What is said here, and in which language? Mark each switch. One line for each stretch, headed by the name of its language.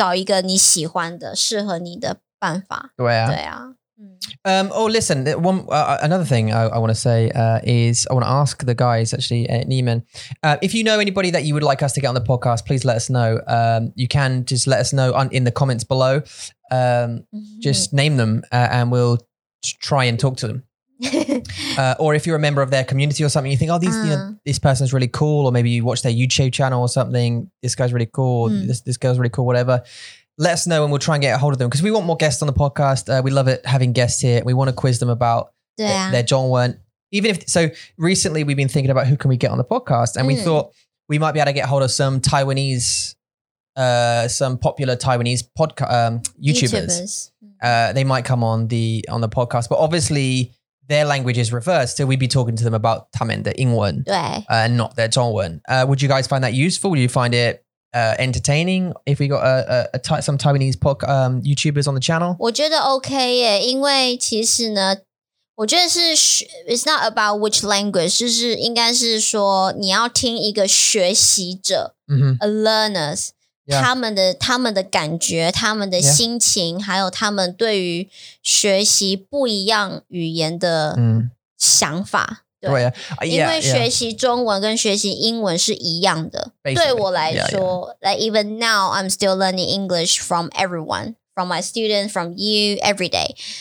Chinese: 所以呢，有些的学习的方法的办法是不是合你的？那你就要找一个你喜欢的、适合你的办法。对啊，对啊。
English: Listen, another thing I want to say is I want to ask the guys, actually, Neiman, if you know anybody that you would like us to get on the podcast, please let us know. You can just let us know in the comments below. Just name them and we'll try and talk to them. Or if you're a member of their community or something, you think, oh, these, you know, this person's really cool. Or maybe you watch their YouTube channel or something. This guy's really cool. This girl's really cool, whatever. Let us know and we'll try and get a hold of them because we want more guests on the podcast. We love it having guests here. We want to quiz them about their Zhongwen. So recently we've been thinking about who can we get on the podcast and we thought we might be able to get hold of some Taiwanese some popular Taiwanese YouTubers. They might come on the podcast, but obviously their language is reversed. So we'd be talking to them about 他们 the 英文, and not their 中文. Would you guys find that useful? Would you find it entertaining if we got some Taiwanese YouTubers on the channel?
Chinese: 我觉得OK耶，因为其实呢。我觉得是
English: it's not about which language,
Chinese: 就是应该是说你要听一个学习者
English: a learner's
Chinese: 他们的感觉，他们的心情， 还有他们对于学习不一样语言的想法。因为学习中文跟学习英文是一样的。对我来说，
English: like even now I'm still learning English from everyone, from my students, from you, every day.